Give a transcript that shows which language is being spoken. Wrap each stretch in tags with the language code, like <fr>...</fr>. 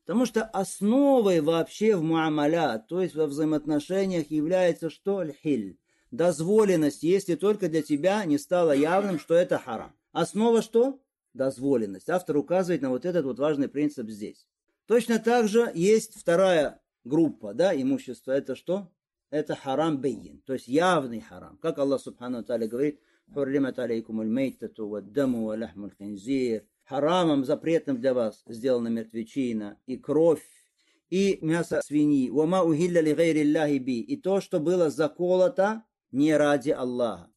<ru>Потому что основой вообще в муамаля, то есть во взаимоотношениях, является что? Аль-хиль. Дозволенность, если только для тебя не стало явным, что это харам. Основа что? Дозволенность. Автор указывает на вот этот вот важный принцип здесь. Точно так же есть вторая группа, да, имущества. Это что? Это харам байин. То есть явный харам. Как Аллах Субхану Тааля говорит,</ru> <ar>حُرِّمَتْ عَلَيْكُمُ الْمَيْتَةُ وَالدَّمُ وَلَحْمُ الْخِنْزِيرِ.</ar> <ru>Харамом, запретным для вас, сделана мертвечина, и кровь, и мясо свиньи.</ru> <ar>وَمَا أُهِلَّ لِغَيْرِ اللَّهِ بِي.</ar> <ru>И то, что было заколото не ради Аллаха.</ru>